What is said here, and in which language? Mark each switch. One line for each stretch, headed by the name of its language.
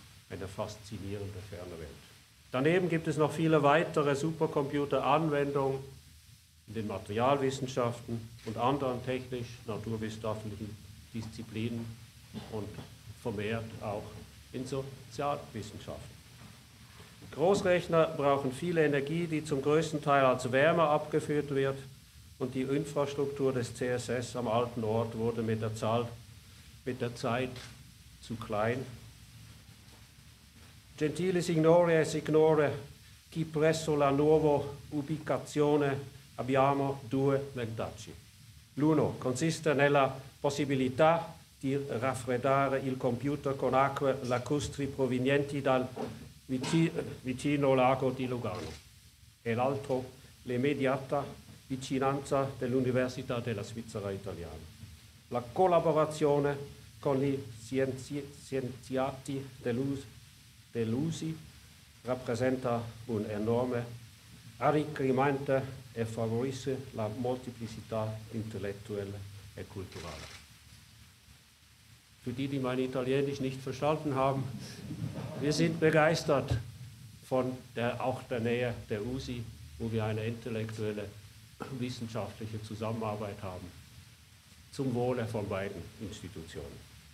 German: eine faszinierende ferne Welt. Daneben gibt es noch viele weitere Supercomputer-Anwendungen in den Materialwissenschaften und anderen technisch-naturwissenschaftlichen Disziplinen und vermehrt auch in Sozialwissenschaften. Großrechner brauchen viel Energie, die zum größten Teil als Wärme abgeführt wird, und die Infrastruktur des CSS am alten Ort wurde mit der Zeit zu klein.
Italian: Gentiles ignore e signore, chi presso la nuova ubicazione abbiamo due megdaci. L'uno consiste nella possibilità di raffreddare il computer con acque lacustri provenienti dal vicino lago di Lugano. E l'altro, l'immediata vicinanza dell'Università della Svizzera Italiana. La collaborazione con gli scienziati dell'USI rappresenta un enorme arricchimento e favorisce la molteplicità intellettuale e culturale.
German: Für die, die mein Italienisch nicht verstanden haben, wir sind begeistert von der Nähe der USI, wo wir eine intellektuelle, wissenschaftliche Zusammenarbeit haben, zum Wohle von beiden Institutionen.